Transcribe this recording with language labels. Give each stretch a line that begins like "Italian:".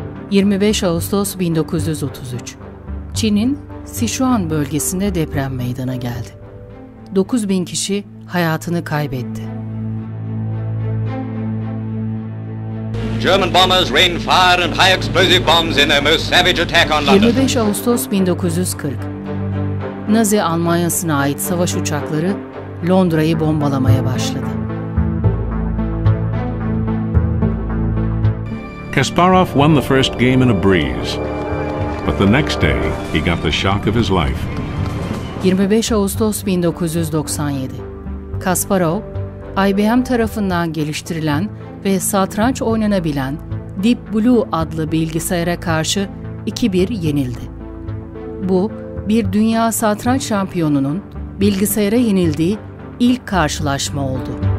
Turkish: 25 Ağustos 1933. Çin'in Sichuan bölgesinde deprem meydana geldi. 9.000 kişi hayatını kaybetti.
English: German bombers rained fire and high explosive bombs in their most savage attack on London.
Turkish: 25 Ağustos 1940. Nazi Almanya'sına ait savaş uçakları Londra'yı bombalamaya başladı.
English: Kasparov won the first game in a breeze. But the next day, he got the shock of his life.
Turkish: 25 Ağustos 1997. Kasparov, IBM tarafından geliştirilen ve satranç oynanabilen Deep Blue adlı bilgisayara karşı 2-1 yenildi. Bu, bir dünya satranç şampiyonunun bilgisayara yenildiği ilk karşılaşma oldu.